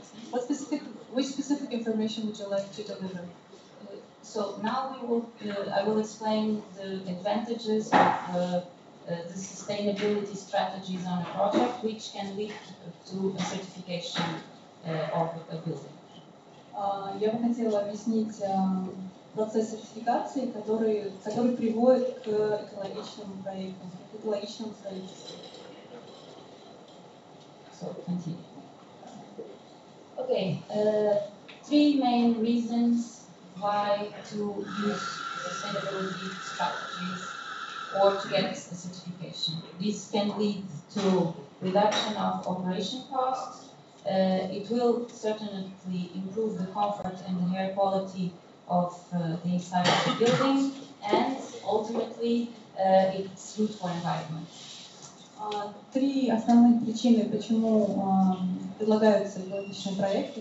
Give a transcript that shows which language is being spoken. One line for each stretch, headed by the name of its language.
English: What specific, which specific information would you like to deliver? So now we will, I will explain the advantages of the sustainability strategies on a project, which can lead to a certification of a building.
Russian: Я бы хотела объяснить процесс сертификации, который приводит к экологичному проекту, к экологичному строительству.
English: So, continue. Okay, three main reasons why to use sustainability strategies or to get a certification. This can lead to reduction of operation costs. It will certainly improve the comfort and the air quality of the inside of the building, and ultimately it's good for environment.
Russian: Три основные причины, почему предлагаются экологичные проекты.